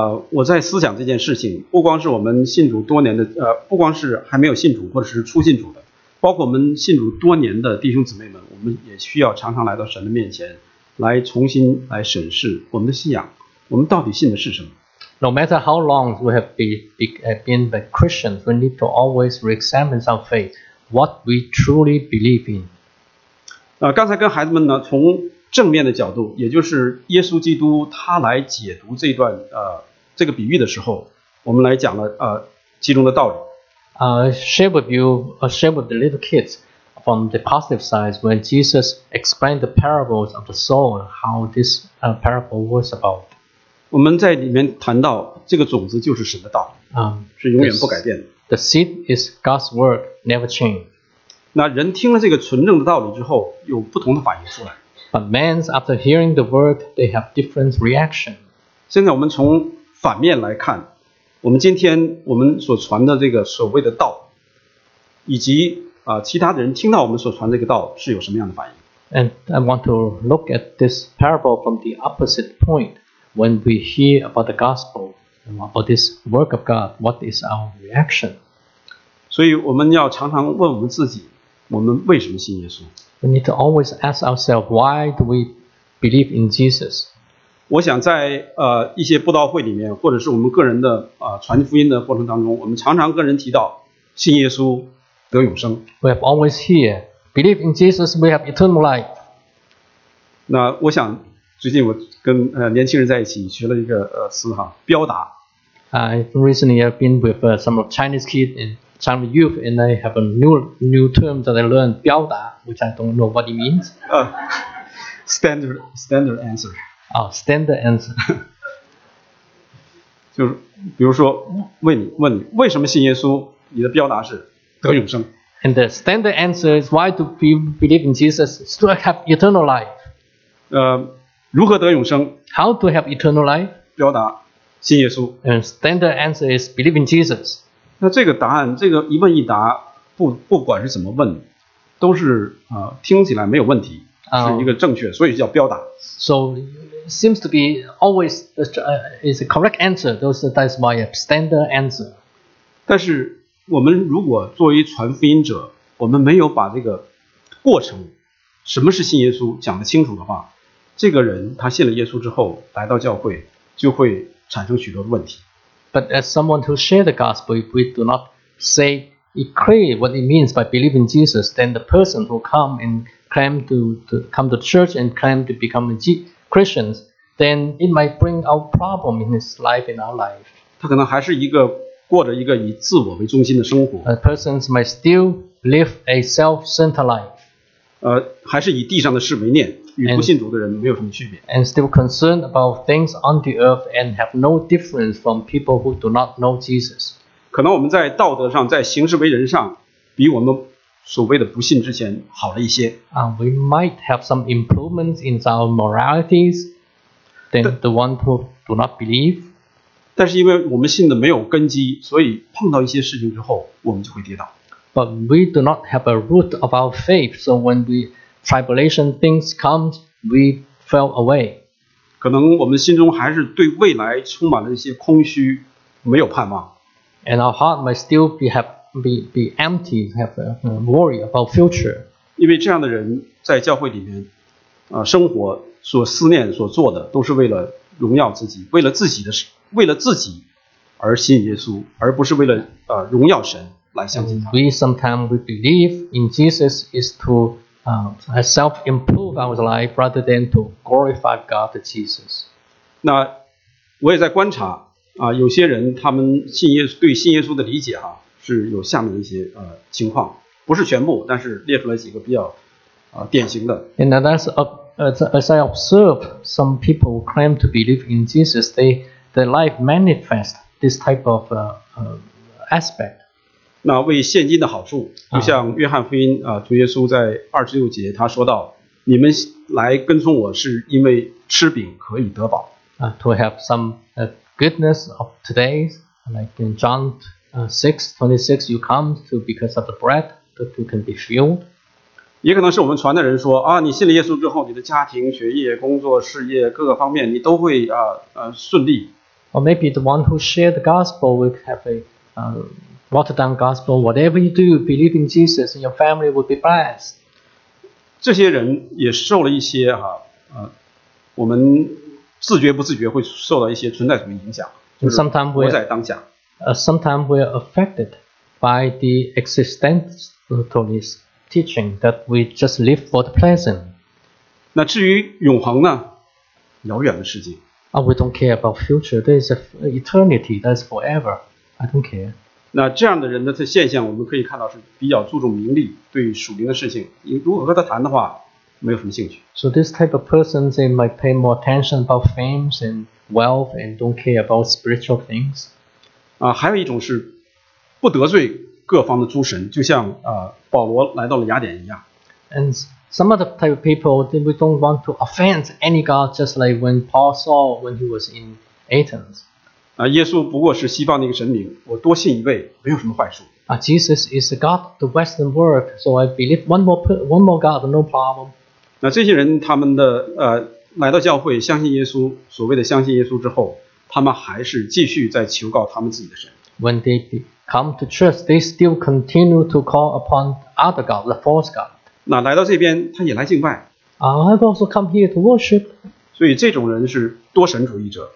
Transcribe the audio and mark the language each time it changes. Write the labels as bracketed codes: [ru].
[zh] 我在思想这件事情, 不光是我们信主多年的, 不光是还没有信主或者是初信主的, 包括我们信主多年的弟兄姊妹们, 我们也需要常常来到神的面前, 来重新来审视我们的信仰, 我们到底信的是什么? [en] No matter how long we have been a Christian, we need to always re-examine our faith, what we truly believe in. [zh] 刚才跟孩子们呢, 从正面的角度, 也就是耶稣基督他来解读这段, 这个比喻的时候, 我们来讲了, 其中的道理。 [en] Share with the little kids from the positive side when Jesus explained the parables of the soul, how this parable was about. [zh] 我们在里面谈到这个种子就是神的道, 是永远不改变的。 [en] The seed is God's word, never change. [zh] 那人听了这个纯正的道理之后，有不同的反应出来。 [en] But men, after hearing the word, they have different reaction. [zh] 现在我们从反面来看，我们今天我们所传的这个所谓的道，以及其他的人听到我们所传这个道是有什么样的反应。 [en] And I want to look at this parable from the opposite point. When we hear about the gospel, about this work of God, what is our reaction? [zh] 所以我们要常常问我们自己，我们为什么信耶稣？ [en] We need to always ask ourselves, why do we believe in Jesus? [zh] 我想在一些布道会里面，或者是我们个人的传福音的过程当中，我们常常跟人提到信耶稣得永生。 [en] We have always hear, believe in Jesus, we have eternal life. [zh] 那我想最近我跟年轻人在一起学了一个词哈，飙达。 [en] I recently have been with some Chinese kids in China youth, and I have a new term that I learned, 飙达, which I don't know what it means. Standard answer. Oh, standard answer. [zh] 就是比如说问你为什么信耶稣，你的飙达是得永生。 [en] And the standard answer is why do we believe in Jesus to have eternal life? [zh] 如何得永生? [en] How to have eternal life? [zh] 表达信耶稣。 [en] And standard answer is believe in Jesus. [zh] 那这个答案，这个一问一答，不管是怎么问，都是听起来没有问题，是一个正确，所以叫表达。 [en] So seems to be always is a correct answer. That's my standard answer. [zh] 但是我们如果作为传福音者，我们没有把这个过程，什么是信耶稣讲得清楚的话。这个人他信了耶稣之后来到教会就会产生许多的问题。 [en] But as someone who share the gospel, if we do not say it clear what it means by believing Jesus, then the person who come and claim to come to church and claim to become a Christian, then it might bring out problem in his life, in our life. [zh] 他可能还是一个过着一个以自我为中心的生活。 [en] A person might still live a self-centered life. [zh] 还是以地上的事为念。与不信主的人没有什么区别。 [en] And still concerned about things on the earth and have no difference from people who do not know Jesus. [zh] 可能我们在道德上，在行事为人上，比我们所谓的不信之前好了一些。 [en] We might have some improvements in our moralities than the one who do not believe. [zh] 但是因为我们信的没有根基，所以碰到一些事情之后，我们就会跌倒。 [en] But we do not have a root of our faith, so when we tribulation things come, we fell away. [zh] 可能我们心中还是对未来充满了一些空虚，没有盼望。 [en] And our heart might still be empty, have a worry about future. [zh] 因为这样的人在教会里面，生活所思念所做的都是为了荣耀自己，为了自己的，为了自己而信耶稣，而不是为了荣耀神来相信他。 [en] And we sometimes we believe in Jesus is to self-improve our life rather than to glorify God Jesus. [zh] 那我也在观察有些人他们信耶稣对信耶稣的理解是有下面的一些情况，不是全部，但是列出来几个比较典型的。 [en] And that's as I observe some people claim to believe in Jesus, their life manifest this type of aspect. [zh] 那为现今的好处，就像约翰福音主耶稣在二十六节他说到，你们来跟从我是因为吃饼可以得饱。 [en] To have some goodness of today, like in John 6:26, you come to because of the bread that you can be filled. [zh] 也可能是我们传的人说你信了耶稣之后，你的家庭、学业、工作、事业各个方面你都会顺利。 [en] Or maybe the one who shared the gospel will have a watered down gospel, whatever you do, believe in Jesus, and your family will be blessed. [zh] 这些人也受了一些我们自觉不自觉会受到一些存在主义影响，就是活在当下。 [en] Sometimes we are affected by the existentialist teaching that we just live for the present. [zh] 那至于永恒呢？遥远的世界。 [en] We don't care about future. There is eternity. That's forever. I don't care. [zh] 那这样的人的现象我们可以看到是比较注重名利，对属灵的事情你如果和他谈的话没有什么兴趣。 [en] So this type of person, they might pay more attention about fame and wealth and don't care about spiritual things. [zh] 还有一种是不得罪各方的诸神，就像保罗来到了雅典一样。 [en] And some other type of people, we don't want to offend any God, just like when Paul saw when he was in Athens. [zh] 耶稣不过是西方的一个神明，我多信一位没有什么坏处。 [en] Jesus is the God of the Western world, so I believe one more God, no problem. [zh] 那这些人他们的来到教会，相信耶稣，所谓的相信耶稣之后，他们还是继续在求告他们自己的神。 [en] When they come to church, they still continue to call upon other God, the false God. [zh] 那来到这边，他也来敬拜。 [en] I also come here to worship. [zh] 所以这种人是多神主义者。